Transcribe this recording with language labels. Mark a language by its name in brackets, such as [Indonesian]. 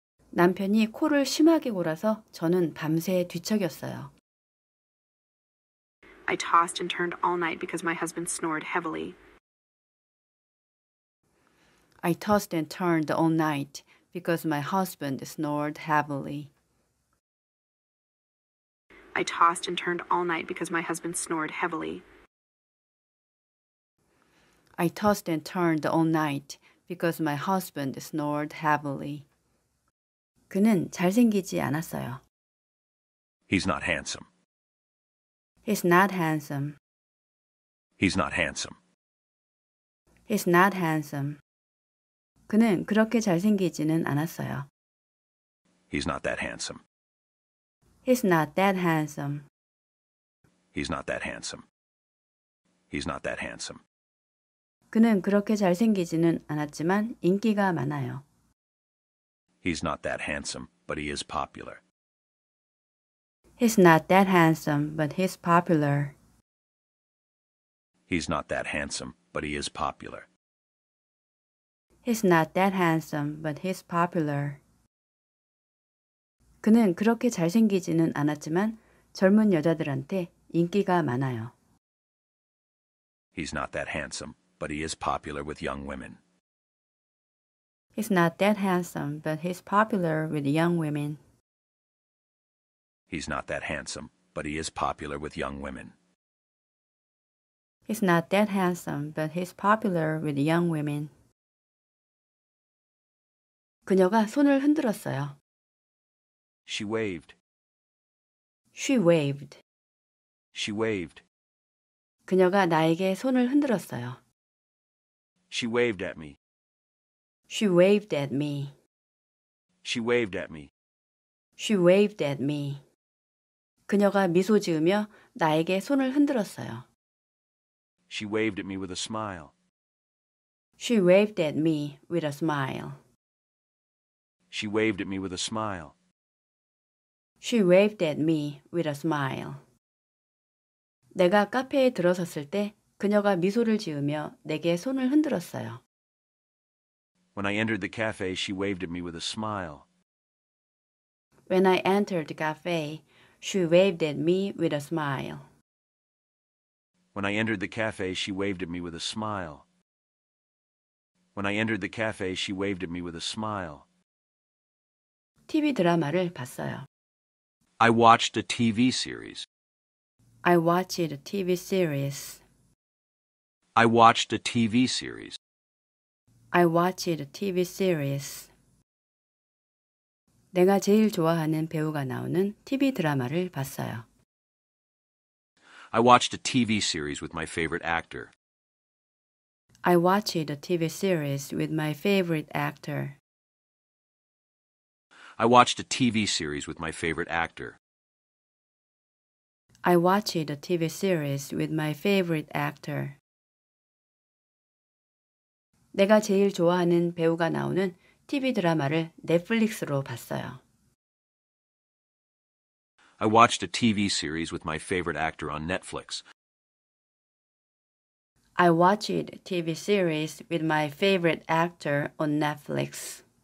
[Korean] 남편이 코를 심하게 골아서 저는 밤새 뒤척였어요. [English] I tossed and turned all night because my husband snored heavily. I tossed and turned all night because my husband snored heavily. I tossed and turned all night because my husband snored heavily. I tossed and turned all night because my husband snored heavily. [Korean] 그는 잘생기지 않았어요. [English] He's not handsome. He's not handsome. He's not handsome. He's not handsome. [Korean] 그는 그렇게 잘생기지는 않았어요. [English] He's not that handsome. He's not that handsome. He's not that handsome. He's not that handsome. [Korean] 그는 그렇게 잘생기지는 않았지만 인기가 많아요. [English] He's not that handsome, but he is popular. He's not that handsome, but he's popular. He's not that handsome, but he is popular. He's not that handsome, but he's popular. [Korean] 그는 그렇게 잘생기지는 않았지만 젊은 여자들한테 인기가 많아요. [English] He's not that handsome, but he is popular with young women. He's not that handsome, but he's popular with young women. He's not that handsome, but he is popular with young women. He's not that handsome, but he's popular with young women. [Korean] 그녀가 손을 흔들었어요. [English] She waved. She waved. She waved. [Korean] 그녀가 나에게 손을 흔들었어요. [English] She waved at me. She waved at me. She waved at me. She waved at me. [Korean] 그녀가 미소 지으며 나에게 손을 흔들었어요. [English] She waved at me with a smile. She waved at me with a smile. She waved at me with a smile. She waved at me with a smile. [Korean] 내가 카페에 들어섰을 때 그녀가 미소를 지으며 내게 손을 흔들었어요. [English] When I entered the cafe, she waved at me with a smile. When I entered the cafe, she waved at me with a smile. When I entered the cafe, she waved at me with a smile. When I entered the cafe, she waved at me with a smile. [Korean] TV 드라마를 봤어요. [English] I watched a TV series. I watched a TV series. I watched a TV series. I watched a TV series. [Korean] 내가 제일 좋아하는 배우가 나오는 TV 드라마를 봤어요. [English] I watched a TV series with my favorite actor. I watched a TV series with my favorite actor. I watched a TV series with my favorite actor. I watched a TV series with my favorite actor. [Korean] 내가 제일 좋아하는 배우가 나오는 TV 드라마를 넷플릭스로 봤어요. [English] I watched a TV series with my favorite actor on Netflix. I watched a TV series with my favorite actor on Netflix.